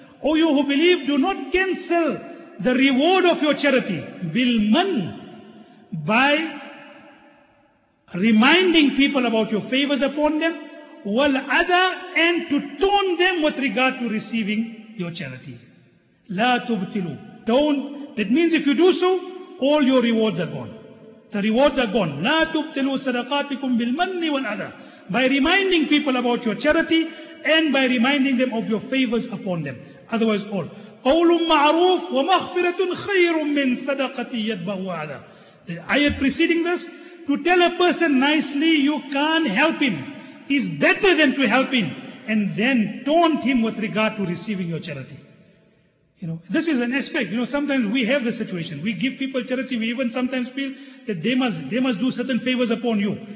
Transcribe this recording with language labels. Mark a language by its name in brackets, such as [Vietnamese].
[English] O you who believe, do not cancel the reward of your charity, bil man, by reminding people about your favors upon them, wal adha, and to taunt them with regard to receiving your charity. La tubtilu. Don't. That means if you do so, all your rewards are gone. The rewards are gone. [Arabic] لا تبتلوا صدقاتكم بالمن والأذى. [English] By reminding people about your charity and by reminding them of your favors upon them. Otherwise all. [Arabic] قول معروف ومغفرة خير من صدقة يتبعها أذى. [English] The ayat preceding this, to tell a person nicely you can't help him is better than to help him and then taunt him with regard to receiving your charity. You know, this is an aspect. You know, sometimes we have this situation. We give people charity. We even sometimes feel that they must do certain favors upon you.